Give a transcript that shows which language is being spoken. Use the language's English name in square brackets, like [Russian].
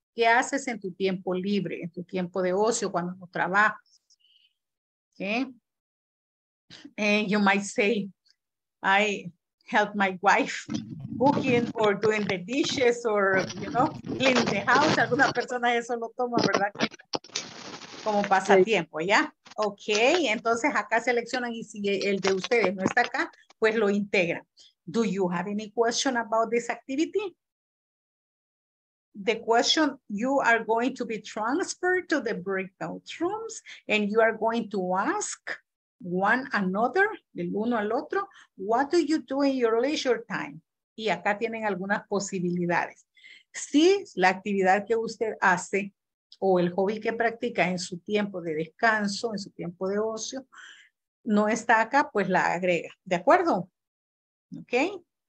[Spanish] ¿Qué haces en tu tiempo libre, en tu tiempo de ocio, cuando no trabajas? Okay? [English] And you might say, I help my wife cooking or doing the dishes or, you know, cleaning the house. [Spanish] Alguna persona eso lo toma, ¿verdad? Como pasatiempo, ¿ya? Ok, entonces acá seleccionan y si el de ustedes no está acá, pues lo integran. [English] Do you have any question about this activity? The question, you are going to be transferred to the breakout rooms and you are going to ask one another, [Spanish] del uno al otro, [English] what do you do in your leisure time? [Spanish] Y acá tienen algunas posibilidades. Si la actividad que usted hace o el hobby que practica en su tiempo de descanso, en su tiempo de ocio, no está acá, pues la agrega. ¿De acuerdo? Okay.